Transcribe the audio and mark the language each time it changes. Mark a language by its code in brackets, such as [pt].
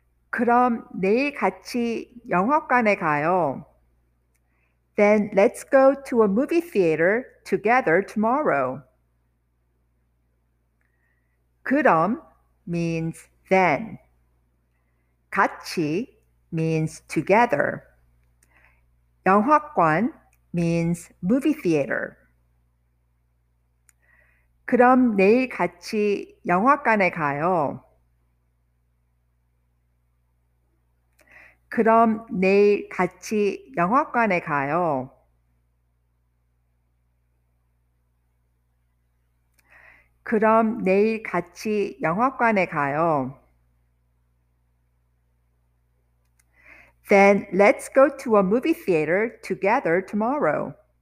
[ko] 그럼 내일 같이 영화관에 가요. [en] Then let's go to a movie theater together tomorrow. 그럼 means then. 같이 means together. 영화관 means movie theater. [ko] 그럼 내일 같이 영화관에 가요. 그럼 내일 같이 영화관에 가요. 그럼 내일 같이 영화관에 가요. [en] Then let's go to a movie theater together tomorrow.